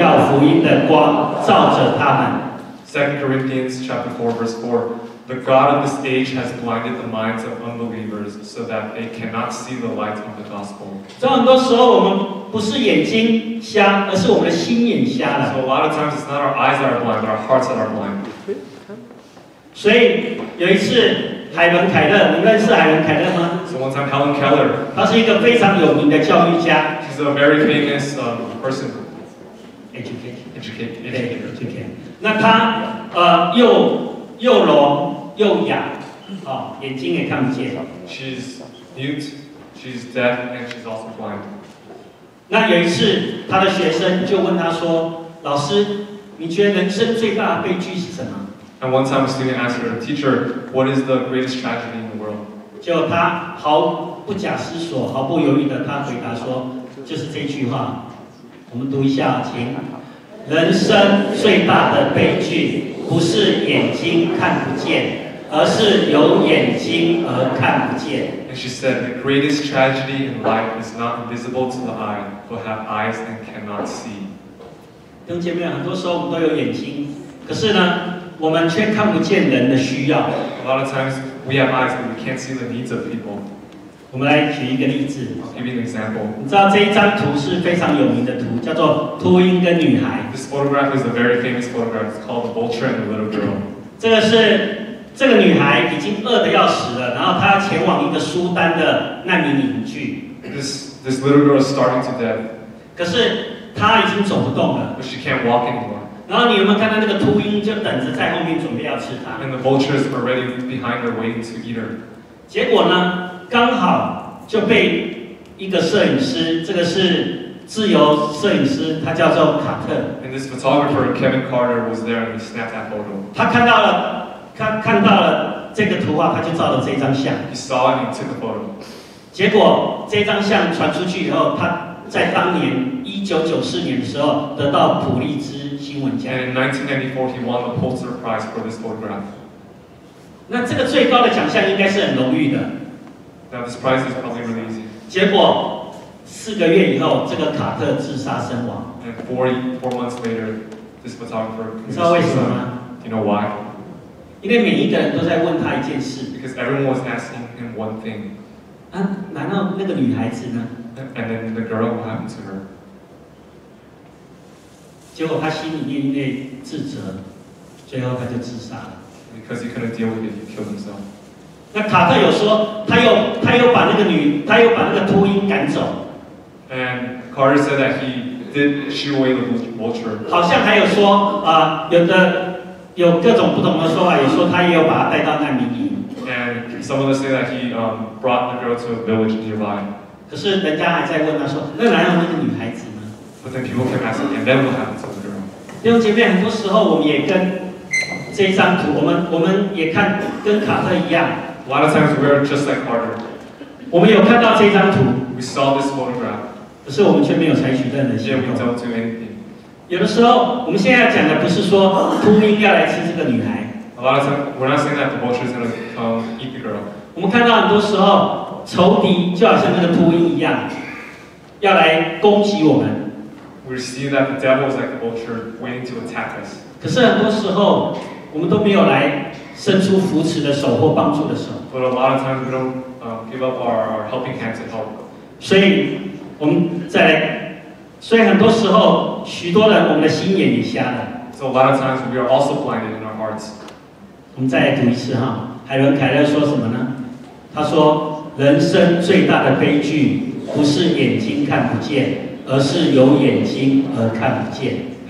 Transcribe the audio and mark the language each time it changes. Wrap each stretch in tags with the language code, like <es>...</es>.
<zh>我们来读一下这哥林多后书第二，哥林多后书第四章第四节。我们一起读哦，请此等不信之人被这世界的神弄瞎了心眼，不叫基督荣耀福音的光照着他们。2</zh> <en>Corinthians chapter 4 verse 4. The God of this age has blinded the minds of unbelievers so that they cannot see the light of the gospel. So a lot of times it's not our eyes that are blind, but our hearts that are blind.</en> <zh>所以有一次海伦凯勒，你认识海伦凯勒吗？</zh> <en>So one time Helen Keller.</en> <zh>他是一个非常有名的教育家。</zh> <en>She's a very famous person. Educator.</en> <zh>又哑，啊，眼睛也看不见。</zh> <en>She's mute, she's deaf, and she's also blind.</en> <zh>那有一次，他的学生就问他说：“老师，你觉得人生最大的悲剧是什么？”</zh> <en>And one time, a student asked her, "Teacher, what is the greatest tragedy in the world?"</en> <zh>就他毫不假思索、毫不犹豫的，他回答说：“ 就是这句话，我们读一下，请。人生最大的悲剧，不是眼睛看不见，而是有眼睛而看不见。</zh> <en>And she said, the greatest tragedy in life is not visible to the eye, but have eyes and cannot see.</en> <zh>弟兄姐妹，很多时候我们都有眼睛，可是呢，我们却看不见人的需要。</zh> <en>A lot of times we have eyes, but we can't see the needs of people.</en> <zh>我们来举一个例子。</zh> <en>I'll give you an example.</en> <zh>你知道这一张图是非常有名的图，叫做秃鹰跟女孩。</zh> <en>This photograph is a very famous photograph. It's called The Vulture and the Little Girl.</en> <zh>这个是这个女孩已经饿得要死了，然后她要前往一个苏丹的难民营居。</zh> <en>This little girl is starving to death.</en> <zh>可是她已经走不动了。</zh> <en>But she can't walk anymore.</en> <zh>然后你有没有看到那个秃鹰就等着在后面准备要吃她</zh> <en>？And the vultures are already behind her waiting to eat her.</en> <zh>结果呢，刚好就被一个摄影师，这个是自由摄影师，他叫做卡特。</zh> <en>And this photographer Kevin Carter was there and he snapped that photo.</en> <zh>他看到了。他看到了这个图画，他就照了这张相。</zh> <en>He saw and he took a photo.</en> <zh>结果这张相传出去以后，他在当年1994年的时候得到普利兹新闻奖。</zh> <en>And in 1994, he won the Pulitzer Prize for this photograph.</en> <zh>那这个最高的奖项应该是很荣誉的。</zh> <en>Now this prize is probably really easy.</en> <zh>结果四个月以后，这个卡特自杀身亡。</zh> <en>And four months later, this photographer.</en> <zh>你知道为什么吗</zh> <en>？Do you know why?</en> <zh>因为每一个人都在问他一件事。</zh> <en>Because everyone was asking him one thing.</en> <zh>啊，难道那个女孩子呢</zh> <en>？And then the girl, what happened to her?</en> <zh>结果他心里面因为自责，最后他就自杀了。</zh> <en>Because he couldn't deal with it, he killed himself.</en> <zh>那卡特有说，他又把那个秃鹰赶走。</zh> <en>And Carter said that he did shoo away the vulture.</en> <zh>好像还有说啊、有的。有各种不同的说法，有说他也有把他带到难民营。</zh> <en>And some of them say that he brought the girl to a village nearby.</en> <zh>可是人家还在问他说，那难道那个女孩子吗</zh> <en>？But then people kept asking, and then what happened to the girl?</en> <zh>弟兄姐妹，很多时候我们也跟这一张图，我们也看跟卡特一样。</zh> <en>A lot of times we are just like Carter.</en> <zh>我们有看到这张图。</zh> <en>We saw this photograph.</en> <zh>可是我们却没有采取任何行动。</zh> <en>Yeah, we don't do anything.</en> <zh>有的时候，我们现在讲的不是说秃鹰要来吃这个女孩。</zh> <en>A lot of times, we're not saying that the vulture is going to come eat the girl.</en> <zh>我们看到很多时候，仇敌就好像那个秃鹰一样，要来攻击我们。</zh> <en>We see that the devil is like the vulture, waiting to attack us.</en> <zh>可是很多时候，我们都没有来伸出扶持的手或帮助的手。</zh> <en>But a lot of times, we don't give up our helping hands to help.</en> <zh>所以，我们再来。所以很多时候，许多人我们的心眼也瞎了。</zh> <en>So a lot of times we are also blinded in our hearts.</en> <zh>我们再来读一次哈，海伦凯勒说什么呢？他说：“人生最大的悲剧，不是眼睛看不见，而是有眼睛而看不见。”</zh>